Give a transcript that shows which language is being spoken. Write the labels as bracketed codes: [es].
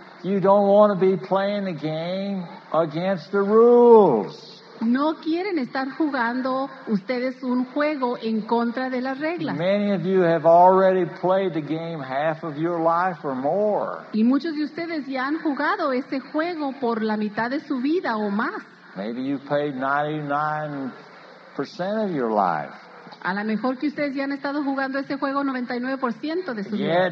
[en] You don't want to be playing the game against the rules. [es] No quieren estar jugando ustedes un juego en contra de las reglas. [en] Many of you have already played the game half of your life or more. [es] Y muchos de ustedes ya han jugado ese juego por la mitad de su vida o más. [en] Maybe you've played 99% of your life. [es] A lo mejor que ustedes ya han estado jugando ese juego 99% de su vida.